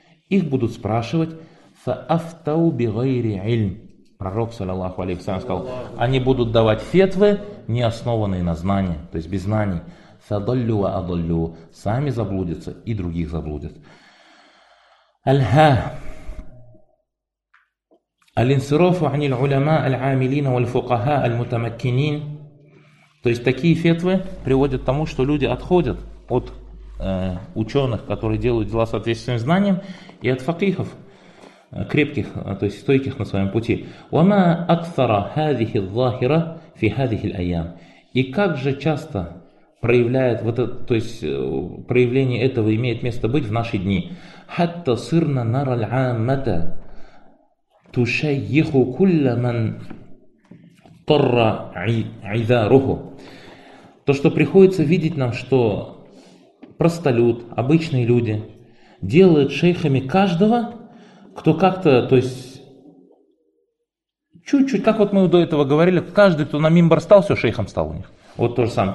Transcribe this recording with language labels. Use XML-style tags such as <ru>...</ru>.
<ru>Их будут спрашивать</ru> <ar>«фаафтау бигайри ильм».</ar> <ru>Пророк, саллаллаху алейхи вассалям, сказал, они будут давать фетвы, не основанные на знании, то есть без знаний.</ru> <ar>«Фадаллю ва адаллю».</ar> <ru>Сами заблудятся и других заблудят. «Аль-ха».</ru> <ar>الانصراف عن العلماء العاملين والفقهاء المتمكنين.</ar> <ru>То есть такие фетвы приводят к тому, что люди отходят от ученых, которые делают дела соответствующим знаниям, и от факихов, крепких, то есть стойких на своем пути.</ru> <ar>وما أكثر هذه الظاهرة في هذه الأيام.</ar> <ru>И как же часто проявляет вот это, то есть проявление этого имеет место быть в наши дни.</ru> <ar>حتى صرنا نرى العامة تُشَيِّخُ كُلَّ مَنْ طَرَّ عِذَارُهُ.</ar> <ru>То, что приходится видеть нам, что простолюд, обычные люди, делают шейхами каждого, кто как-то, то есть, чуть-чуть, как вот мы до этого говорили, каждый, кто на мимбар стал, все, шейхом стал у них. Вот то же самое.</ru>